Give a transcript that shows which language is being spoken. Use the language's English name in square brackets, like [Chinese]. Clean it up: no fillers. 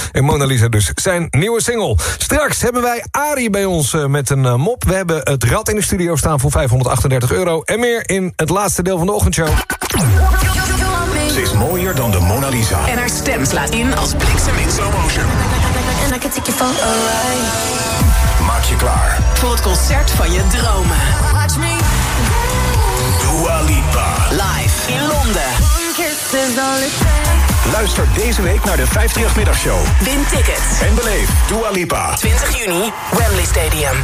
[Dutch] En Mona Lisa dus, zijn nieuwe single. Straks hebben wij Arie bij ons met een mop. We hebben het rad in de studio staan voor €538. En meer in het laatste deel van de ochtendshow. Ze is mooier dan de Mona Lisa. En haar stem slaat in als bliksem in slow motion. [English] And I can take you for a ride. [Dutch] Maak je klaar voor het concert van je dromen. [English] Watch me. [Dutch] Dua Lipa. Live in Londen. [English] One kiss is all it takes. [Dutch] Luister deze week naar de 538 middagshow. Win tickets. En beleef Dua Lipa. 20 juni, Wembley Stadium.